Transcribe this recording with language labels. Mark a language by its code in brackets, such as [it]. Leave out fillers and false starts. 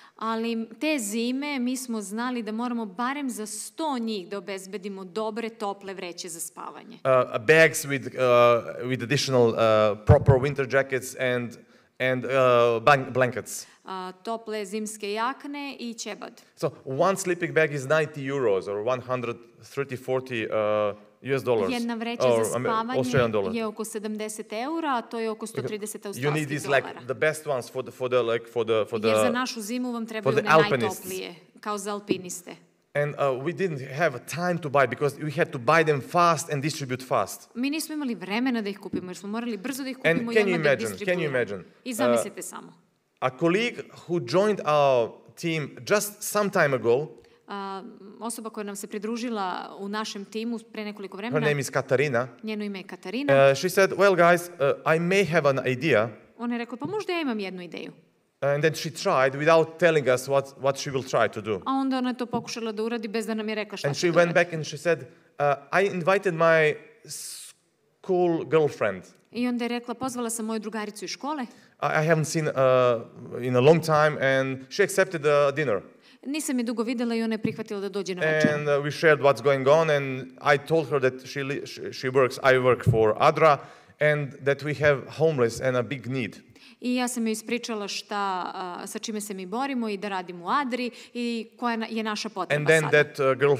[sr] Ali te zime mi smo znali da moramo barem za 100 njih da obezbedimo dobre tople vreće za spavanje. [en] Bags with additional proper winter jackets and blankets. [sr] Tople zimske jakne i čebad. [en] So one sleeping bag is 90 euros or 130-140 US dollars. [sr] Jedna vreća za spavanje je oko 70 eura, a to je oko 130 australskih dolara. [en] You need these like the best ones for the [sr] jer za našu zimu vam trebaju one najtoplije, kao za alpiniste. [en] And we didn't have time to buy because we had to buy them fast and distribute fast. [sr] Mi nismo imali vremena da ih kupimo, jer smo morali brzo da ih kupimo i odmah da distribuiramo. [en] And can you imagine? [sr] I zamislite samo. [en] A colleague who joined our team just some time ago, [sr] Osoba koja nam se pridružila u našem timu pre nekoliko vremena. [en] Her name is Katarina. [sr] Njeno ime je Katarina. [en] She said, well guys, I may have an idea. [sr] Ona je rekla, pa možda ja imam jednu ideju. [en] And then she tried without telling us what she will try to do. [sr] A onda ona je to pokušala da uradi bez da nam je rekla šta će uraditi. [en] And she went back and she said, I invited my school girlfriend. [sr] I onda je rekla, pozvala sam moju drugaricu iz škole. [en] I haven't seen in a long time and she accepted the dinner. [sr] Nisam je dugo videla i ona je prihvatila da dođe na večer. [en] And we shared what's going on and I told her that I work for ADRA and that we have homeless and a big need. [sr] I ja sam joj ispričala šta sa čime se mi borimo i da radim u ADRI i koja je naša potreba sada. [en] And then [sr] sada.